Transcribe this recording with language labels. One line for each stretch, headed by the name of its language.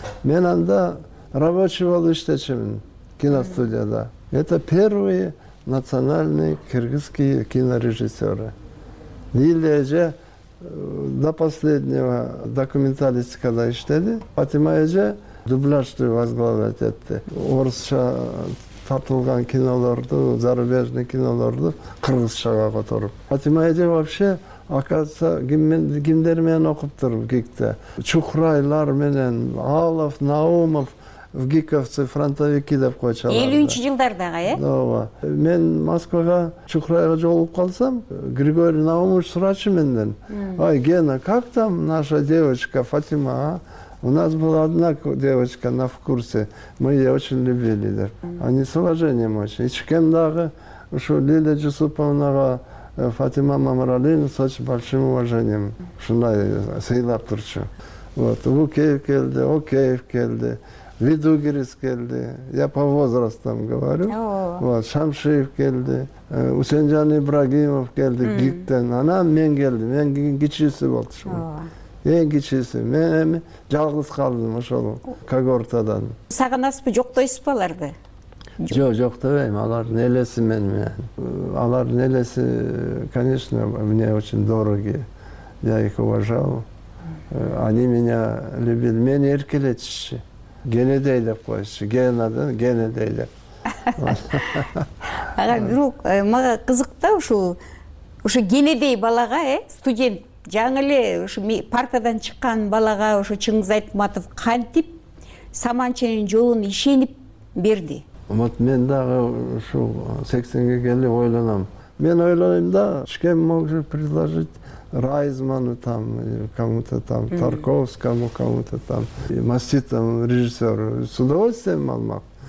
Kyrgyz: Мен анда рабочий болуп иштечимин киностудияда.
Russian: Это первые национальные кыргызские кинорежиссеры.
Kyrgyz: Лилия же
Russian: до последнего
Kyrgyz: документалистикада иштеди. Фатима же дубляжды возглавлять этти. Орусча тартылган киноларды, зарубежный киноларды кыргызчага которуп. Фатима же
Russian: вообще, оказывается,
Kyrgyz: кимдер менен окуптур
Russian: в ГИКТе.
Kyrgyz: Чухрайлар менен, Алов, Наумов, в ГИКовцы, фронтовики деп койчаларды. 53 жылдардагы, э? Ооба. Мен Москвага, Чухрайга жолугуп калсам, Григорий Наумович сурачу менден.
Russian: Ай, Гена, как там наша девочка Фатима, а? У нас была одна девочка на вкурсе, мы ее очень любили,
Kyrgyz: деп.
Russian: Они с уважением очень.
Kyrgyz: И чекем дагы, ушу
Russian: Лиля Жусуповнага, Фатима Мамралин с очень большим уважением.
Kyrgyz: Шундай сыйлап турчу.
Russian: Вот,
Kyrgyz: Укеев келди, Океев келди. Видугирис келди.
Russian: Я по возрастам говорю.
Kyrgyz: Вот, Шамшиев келди. Усенжан Ибрагимов келди. ГИКТен. Ана мен келди. Мен кичиси болчу. Эң кичиси. Мен эми жалгыз калдым ошол когортадан. Сагынасызбы, жоктойсузбу аларды? Жок, жоктобойм. Алар нелеси мен менен. Алар нелеси,
Russian: конечно, мне очень дороги. Я их уважал. Они меня любили.
Kyrgyz: Мен эркелетчи. Генедей деп койчу. Генадан генедей деп. Ага, бирок мага кызык да ушул ушу генедей балага, э, студент жаңы эле ушу партадан чыккан балага ушу Чыңгыз Айтматов кантип саманчынын жолун ишенип берди. Вот мен дагы ушу 80ге келип ойлонам. Мен ойлойм да, кишкем
Russian: могу предложить Райзману там, кому-то там, Тарковскому, кому-то там, и маститому режиссеру с удовольствием
Kyrgyz: алмак.